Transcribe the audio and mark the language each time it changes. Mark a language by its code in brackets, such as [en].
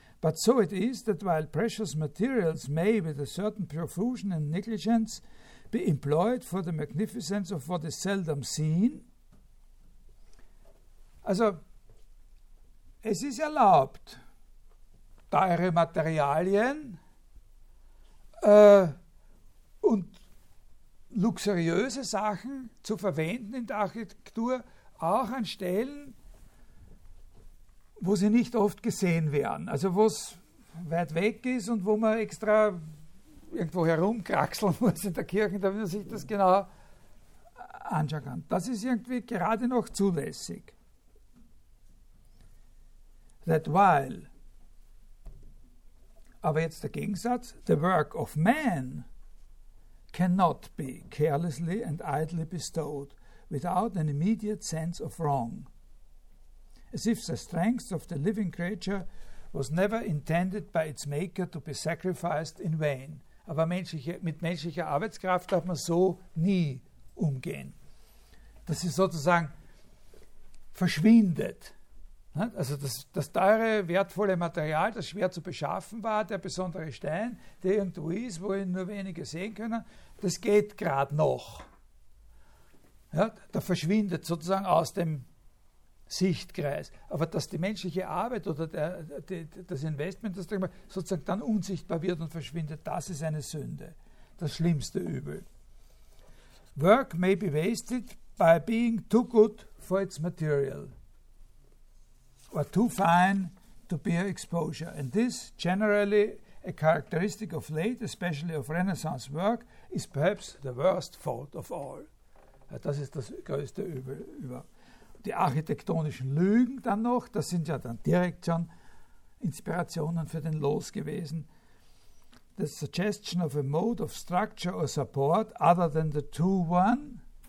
[en] But so it is that while precious materials may, with a certain profusion and negligence, be employed for the magnificence of what is seldom seen. [de] Also, es ist erlaubt, teure Materialien und luxuriöse Sachen zu verwenden in der Architektur, auch an Stellen, wo sie nicht oft gesehen werden, also wo es weit weg ist und wo man extra irgendwo herumkraxeln muss in der Kirche, damit man sich das genau anschauen kann. Das ist irgendwie gerade noch zulässig. [en] That while, [de] aber jetzt der Gegensatz, [en] the work of man cannot be carelessly and idly bestowed without an immediate sense of wrong, as if the strength of the living creature was never intended by its maker to be sacrificed in vain. [de] Aber mit menschlicher Arbeitskraft darf man so nie umgehen. Das ist sozusagen verschwindet. Also das teure, wertvolle Material, das schwer zu beschaffen war, der besondere Stein, der irgendwo ist, wo ihn nur wenige sehen können, das geht gerade noch. Ja, da verschwindet sozusagen aus dem Sichtkreis. Aber dass die menschliche Arbeit oder das Investment, das sozusagen dann unsichtbar wird und verschwindet, das ist eine Sünde. Das schlimmste Übel. [en] Work may be wasted by being too good for its material or too fine to bear exposure. And this, generally a characteristic of late, especially of Renaissance work, is perhaps the worst fault of all. [de] Ja, das ist das größte Übel überhaupt. Die architektonischen Lügen dann noch, das sind ja dann direkt schon Inspirationen für den Los gewesen. [en] The suggestion of a mode of structure or support other than the two one.